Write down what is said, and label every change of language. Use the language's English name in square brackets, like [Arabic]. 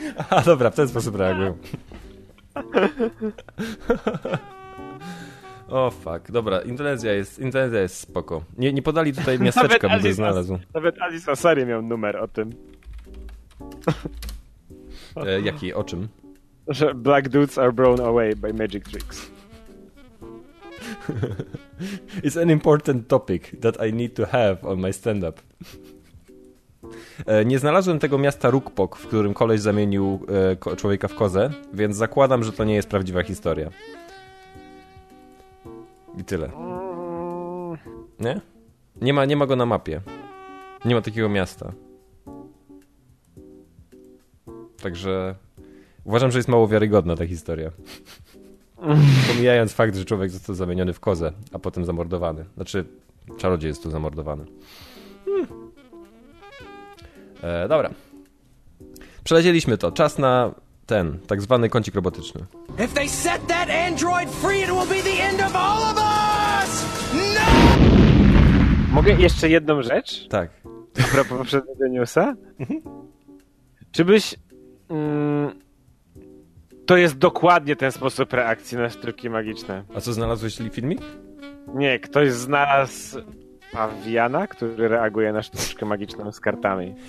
[Polish] A dobra, w ten sposób reagują. O fuck, dobra, Indonezja jest spoko. Nie podali tutaj miasteczka, bym go znalazł. Nawet Aziz Ansari miał numer o tym. Jaki, o czym? Że [English] black dudes are blown away by magic tricks. It's an important topic that I need to have on my stand-up. [Polish] Nie znalazłem tego miasta Rukpok, w którym koleś zamienił człowieka w kozę, więc zakładam, że to nie jest prawdziwa historia. I tyle. Nie? Nie ma go na mapie. Nie ma takiego miasta. Także uważam, że jest mało wiarygodna ta historia. Pomijając fakt, że człowiek został zamieniony w kozę, a potem zamordowany. Znaczy, czarodziej jest tu zamordowany. Dobra. Przelecieliśmy to. Czas na ten, tak zwany kącik robotyczny. [English] If they set that android free, it will be the end of all of us! No! [Polish] Mogę jeszcze jedną rzecz? Tak. A propos poprzedniego newsa? Czy byś... to jest dokładnie ten sposób reakcji na sztuki magiczne. A co, znalazłeś filmik? Nie, ktoś znalazł pawiana, który reaguje na sztuczkę magiczną z kartami.